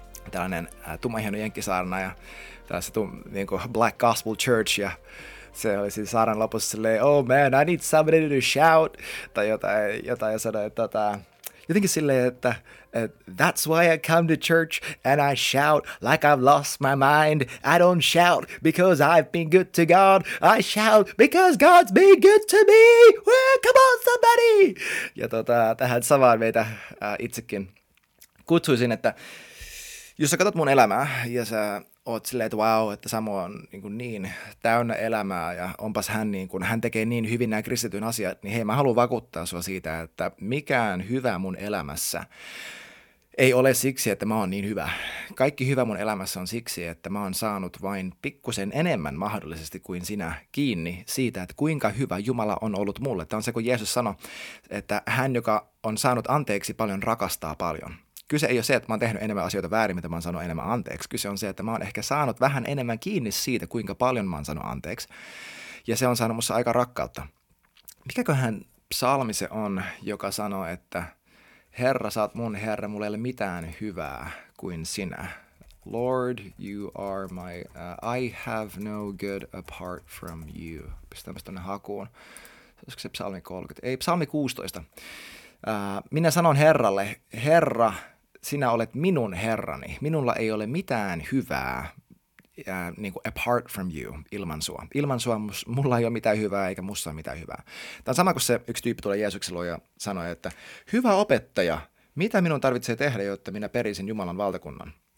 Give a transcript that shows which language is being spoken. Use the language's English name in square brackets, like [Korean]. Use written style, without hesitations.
[Finnish] Tällainen tummaihainen jenkkisaarna ja tällaista niin kuin Black Gospel Church ja se oli siinä saaran lopussa silleen, [English] oh man, I need somebody to shout, [Finnish] tai jotain ja sanoi, että jotenkin silleen, että [English] that's why I come to church and I shout like I've lost my mind. I don't shout because I've been good to God. I shout because God's been good to me. Well, come on somebody! [Finnish] Ja tähän samaan meitä itsekin kutsuisin, että jos sä katsot mun elämää ja sä oot silleen, että wow, että Samu on niin täynnä elämää ja onpas hän niin kuin, hän tekee niin hyvin nämä kristityn asiat, niin hei, mä haluan vakuuttaa sua siitä, että mikään hyvä mun elämässä ei ole siksi, että mä oon niin hyvä. Kaikki hyvä mun elämässä on siksi, että mä oon saanut vain pikkusen enemmän mahdollisesti kuin sinä kiinni siitä, että kuinka hyvä Jumala on ollut mulle. Tämä on se, kun Jeesus sanoi, että hän, joka on saanut anteeksi paljon, rakastaa paljon. Kyse ei ole se, että mä oon tehnyt enemmän asioita väärin, mitä mä oon saanut enemmän anteeksi. Kyse on se, että mä oon ehkä saanut vähän enemmän kiinni siitä, kuinka paljon mä oon saanut anteeksi. Ja se on saanut musta aika rakkautta. Mikäköhän psalmi se on, joka sanoo, että Herra, sä oot mun Herra, mulla ei ole mitään hyvää kuin sinä. [English] Lord, you are my, I have no good apart from you. [Finnish] Pistetään tämmöistä hakuun. Olisiko se psalmi 30? Ei, psalmi 16. Minä sanon Herralle, Herra, sinä olet minun Herrani. Minulla ei ole mitään hyvää niin kuin [English] apart from you, [Finnish] ilman sua. Ilman sua mulla ei ole mitään hyvää, eikä musta ole mitään hyvää. Tämä on sama kuin se yksi tyyppi tulee Jeesuksen luo ja sanoi, että hyvä opettaja, mitä minun tarvitsee tehdä, jotta minä perisin Jumalan valtakunnan?